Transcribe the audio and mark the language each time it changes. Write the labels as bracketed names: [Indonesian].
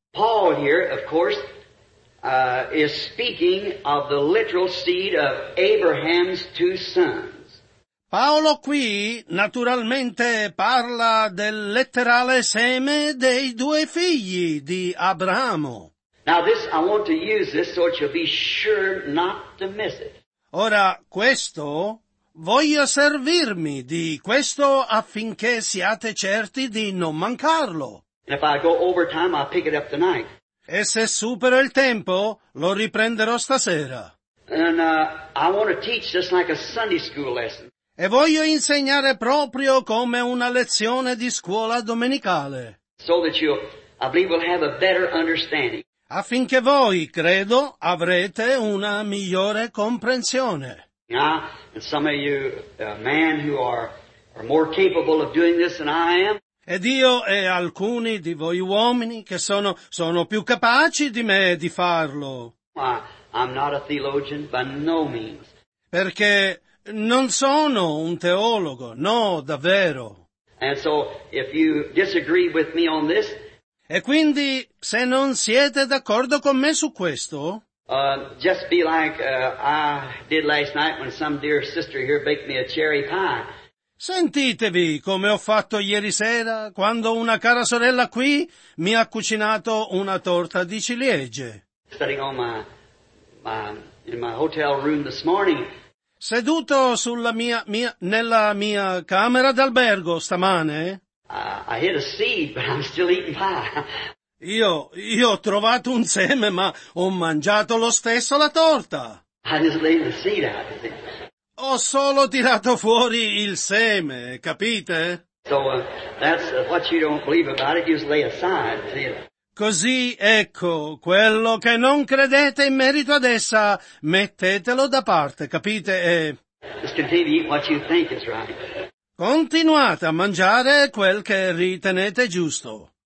[English] Paul here, of course, is speaking of the literal seed of Abraham's two sons. [Italian] Paolo qui naturalmente parla del letterale seme dei due figli di Abramo. [English] Now this, I want to use this so it shall be sure not to miss it. [Italian] Ora questo, voglio servirmi di questo affinché siate certi di non mancarlo. [English] And if I go over time, I'll pick it up tonight. [Italian] E se supero il tempo, lo riprenderò stasera. [English] And I want to teach just like a Sunday school lesson. [Italian] E voglio insegnare proprio come una lezione di scuola domenicale. [English] So that you, I believe, will have a better understanding. [Italian] Affinché voi, credo, avrete una migliore comprensione. [English] Now, and some of you, men who are more capable of doing this than I am. [Italian] Ed io e alcuni di voi uomini che sono più capaci di me di farlo. [English] I'm not a theologian by no means. [Italian] Perché non sono un teologo, no, davvero. [English] And so, if you disagree with me on this, [Italian] e quindi, se non siete d'accordo con me su questo, [English] just be like I did last night when some dear sister here baked me a cherry pie. [Italian] Sentitevi come ho fatto ieri sera quando una cara sorella qui mi ha cucinato una torta di ciliegie. [English] Studying on my hotel room this morning. [Italian] Seduto sulla mia camera d'albergo stamane. [English] I hit a seed, but I'm still eating pie. [Italian] Io ho trovato un seme, ma ho mangiato lo stesso la torta. [English] I just laid the seed out. [Italian] Ho solo tirato fuori il seme, capite? [English] So that's what you don't believe about it. You just lay aside. See? [Italian] Così, ecco, quello che non credete in merito ad essa, mettetelo da parte, capite? E [English] just continue to eat what you think is right. [Italian] Continuate a mangiare quel che ritenete giusto.